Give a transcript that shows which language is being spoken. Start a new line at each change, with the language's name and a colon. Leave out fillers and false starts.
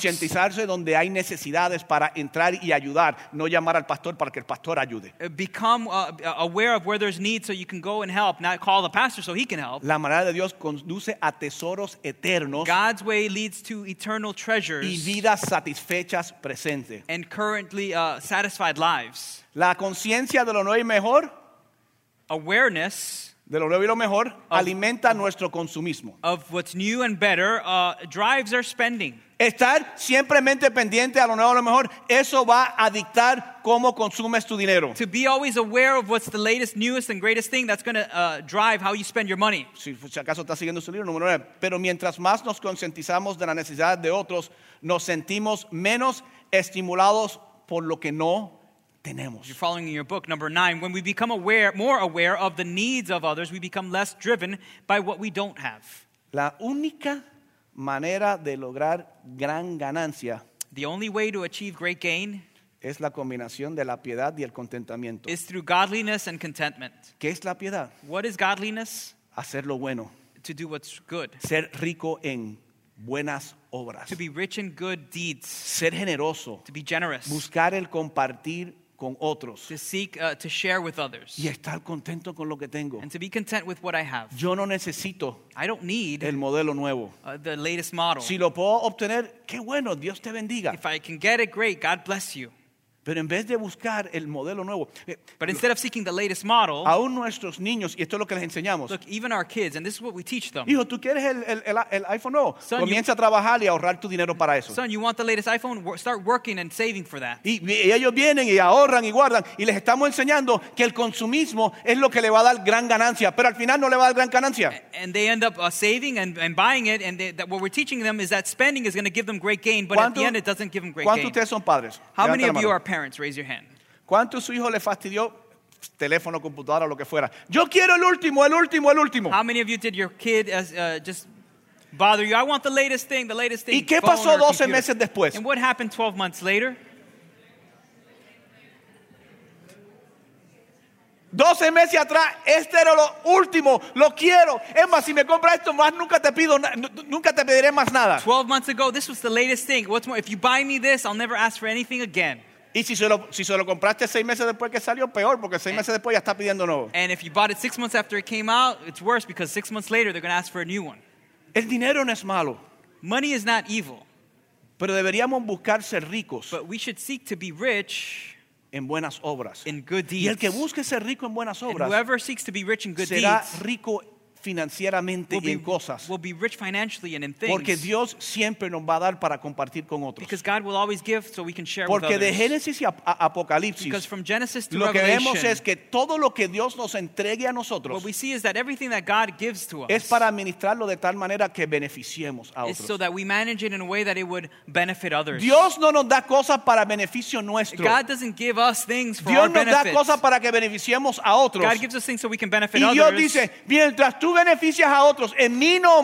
Spanish: concientizarse donde hay necesidades para entrar y ayudar, no llamar al pastor para que el pastor ayude.
English: Become aware of where there's need so you can go and help, not call the pastor so he can help.
Spanish: La manera de Dios conduce a tesoros eternos.
English: God's way leads to eternal treasures.
Spanish: Y vidas satisfechas presentes.
English: And currently satisfied lives.
Spanish: La conciencia de lo nuevo y mejor.
English: Awareness.
Spanish: De lo nuevo y lo mejor alimenta nuestro consumismo.
English: Of what's new and better drives our spending.
Spanish: Estar siempremente pendiente a lo nuevo y lo mejor, eso va a dictar cómo consumes tu dinero.
English: To be always aware of what's the latest, newest, and greatest thing, that's going to drive how you spend your money.
Spanish: Si acaso estás siguiendo su libro, número 9. Pero mientras más nos concientizamos de la necesidad de otros, nos sentimos menos estimulados por lo que no tenemos.
English: You're following in your book, number 9. When we become more aware of the needs of others, we become less driven by what we don't have.
Spanish: La única manera de lograr gran ganancia.
English: The only way to achieve great gain.
Spanish: Es la combinación de la piedad y el contentamiento.
English: Is through godliness and contentment.
Spanish: ¿Qué es la piedad?
English: What is godliness?
Spanish: Hacer lo bueno.
English: To do what's good.
Spanish: Ser rico en buenas obras.
English: To be rich in good deeds.
Spanish: Ser generoso.
English: To be generous.
Spanish: Buscar el compartir con otros.
English: To seek to share with others.
Spanish: Y estar contento con lo que tengo.
English: And to be content with what I have.
Spanish: Yo no necesito.
English: I don't need.
Spanish: El modelo nuevo.
English: The latest model.
Spanish: Si lo puedo obtener, qué bueno. Dios te bendiga.
English: If I can get it, great. God bless you.
Spanish: Pero en vez de buscar el modelo nuevo,
English: but instead of seeking the latest model,
Spanish: aún nuestros niños, y esto es lo que les enseñamos,
English: look, even our kids, and this is what we teach them.
Spanish: Hijo, ¿tú quieres el iPhone? No. Son, comienza a trabajar y a ahorrar tu dinero para eso.
English: Son, you want the latest iPhone? Start working and saving for that.
Spanish: Y ellos vienen y ahorran y guardan, y les estamos enseñando que el consumismo es lo que le va a dar gran ganancia, pero al final no le va a dar gran ganancia.
English: And they end up saving and buying it, and that what we're teaching them is that spending is going to give them great gain, but at the end it doesn't give them great gain.
Spanish: ¿Cuántos ustedes son padres?
English: How many of you are parents? Raise your hand.
Spanish: ¿Cuánto su hijo le fastidió teléfono, computadora, lo que fuera? Yo quiero el último, el último, el último.
English: How many of you did your kid just bother you? I want the latest thing, the latest thing.
Spanish: ¿Y qué pasó 12 meses después?
English: And what happened 12 months later?
Spanish: 12 meses atrás, este era lo último, lo quiero. Es más, si me compra esto, más nunca te pido, nunca te pediré más nada.
English: 12 months ago, this was the latest thing. What's more, if you buy me this, I'll never ask for anything again.
Spanish: Y si se lo compraste 6 meses después que salió, peor, porque 6 meses después ya está pidiendo nuevo.
English: And if you bought it 6 months after it came out, it's worse because 6 months later they're going to ask for a new one.
Spanish: El dinero no es malo.
English: Money is not evil.
Spanish: Pero deberíamos buscar ser ricos.
English: But we should seek to be rich
Spanish: en buenas obras.
English: In good deeds.
Spanish: Y el que busque ser rico en buenas obras,
English: whoever seeks to be rich in good
Spanish: será
English: deeds,
Spanish: rico financieramente y en cosas.
English: Will be rich financially and in things.
Spanish: Porque Dios siempre nos va a dar para compartir con otros.
English: Because God will always give so we can share
Spanish: porque
English: with others.
Spanish: De Génesis y Apocalipsis,
English: because from Genesis to
Spanish: lo que
English: Revelation,
Spanish: vemos es que todo lo que Dios nos entregue a nosotros,
English: what we see is that everything that God gives to us,
Spanish: es para administrarlo de tal manera que beneficiemos a otros.
English: Is so that we manage it in a way that it would benefit others.
Spanish: Dios no nos da cosas para beneficio nuestro.
English: God doesn't give us things for
Spanish: Dios
English: our benefit.
Spanish: Dios nos da cosas para que beneficiemos a otros.
English: God gives us things so we can benefit
Spanish: y
English: others.
Spanish: Y Dios dice, mientras tú beneficias a otros en mi nombre,